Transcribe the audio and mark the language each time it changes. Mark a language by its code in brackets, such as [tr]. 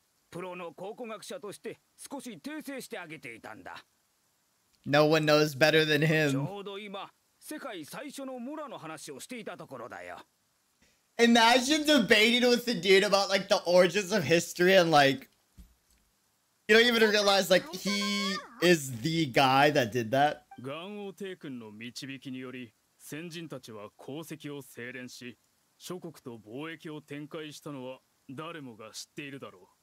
[ja] プロの考古学者として少し訂正してあげていたんだ。 [en] No one knows better than him. [ja] ちょうど今世界最初の村の話をしていたところだよ。 [en] Imagine debating with the dude about like the origins of history and like you don't even realize like he is the guy that did that. [ja] ガンオテイ君の導きにより先人たちは功績を精錬し諸国と貿易を展開したのは誰もが知っているだろう。